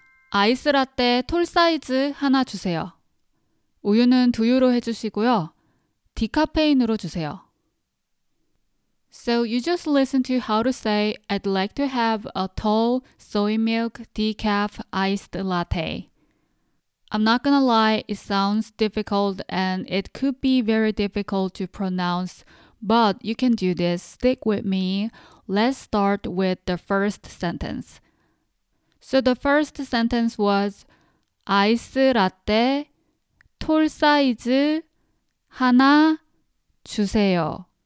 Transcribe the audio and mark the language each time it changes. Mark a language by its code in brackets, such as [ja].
[ko] 아이스 라떼 톨 사이즈 하나 주세요. 우유는 두유로 해주시고요. 디카페인으로 주세요. [en] So you just listened to how to say, I'd like to have a tall soy milk decaf iced latte. I'm not gonna lie, it sounds difficult and it could be very difficult to pronounce, but you can do this. Stick with me. Let's start with the first sentence. So the first sentence was, [ko] 아이스 라떼 톨 사이즈 하나 주세요.